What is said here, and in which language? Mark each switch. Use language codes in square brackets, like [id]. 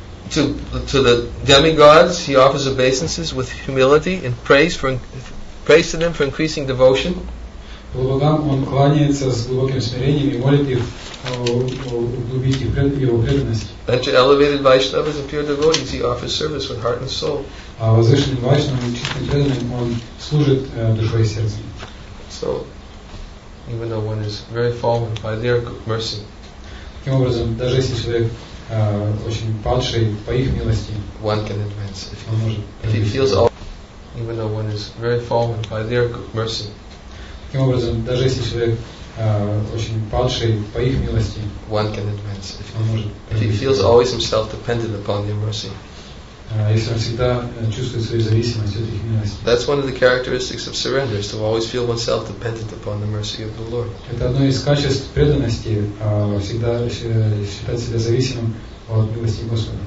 [en] To the demigods, he offers obeisances with humility and praise to them for increasing devotion. [ru] Богам он кланяется с глубоким смирением и молит их углубить его преданность. [en] And to elevated Vaishnavas and pure devotees, he offers service with heart and soul. [ru] А возвышенным Вайшнавам и чистым преданным он служит душой и сердцем. [en] So, even though one is very fallen, by their mercy. [ru] Таким образом, даже если человек очень падший по их милости. [en] One can advance if he feels all, even though one is very fallen by their mercy. [ru] Таким образом, даже если человек очень падший по их милости. [en] One can advance if he feels always himself dependent upon their mercy. [ru] Если он всегда чувствует свою зависимость от их милости. [en] That's one of the characteristics of surrender, is to always feel oneself dependent upon the mercy of the Lord. [ru] Это одно из качеств преданности, всегда считать себя зависимым от милости Господа.